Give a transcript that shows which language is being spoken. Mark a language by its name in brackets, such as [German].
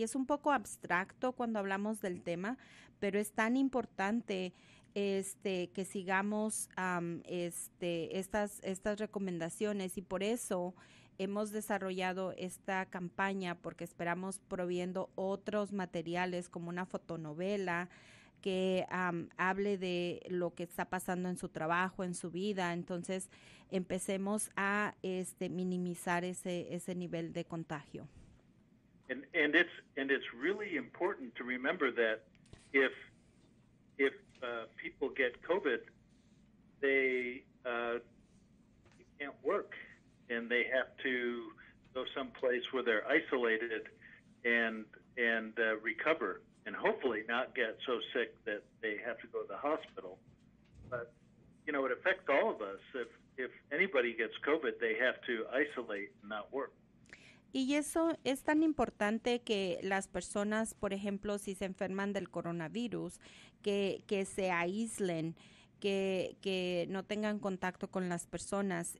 [Spanish] Y es un poco abstracto cuando hablamos del tema, pero es tan importante que sigamos estas recomendaciones, y por eso hemos desarrollado esta campaña, porque esperamos proviendo otros materiales como una fotonovela que hable de lo que está pasando en su trabajo, en su vida. Entonces empecemos a minimizar ese nivel de contagio. [English] And it's really important to remember that if people get COVID, they can't work, and they have to go someplace where they're isolated and recover, and hopefully not get so sick that they have to go to the hospital. But, you know, it affects all of us. If anybody gets COVID, they have to isolate and not work. [Spanish] Y eso es tan importante, que las personas, por ejemplo, si se enferman del coronavirus, que se aíslen, que no tengan contacto con las personas.